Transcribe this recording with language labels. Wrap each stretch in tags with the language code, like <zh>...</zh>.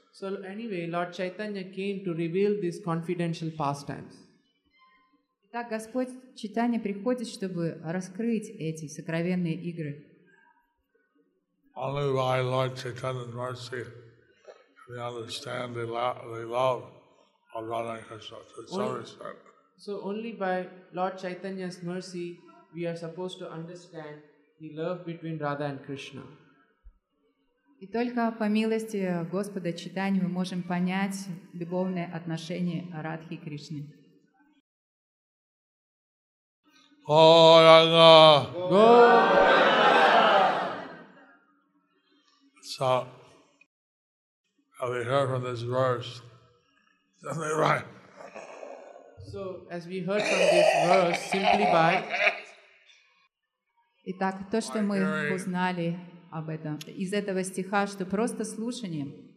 <en>So anyway, Lord Chaitanya came to reveal these confidential pastimes.</en> <ru>Так Господь Чайтанья приходит, чтобы раскрыть эти сокровенные игры.</ru> <en>Only by Lord Chaitanya's mercy can we understand the love of Radha Krishna. So only by Lord Chaitanya's mercy we are supposed to understand the love between Radha and Krishna.</en> <ru>И только по милости Господа Чайтанья мы можем понять любовные отношения Радхи и Кришны.</ru> <en>Goranga! Goranga! So, as we heard from this verse, simply by. So, as we heard from this verse, simply by.</en> <ru>Итак, то, что мы узнали об этом, из этого стиха, что просто слушанием.</ru>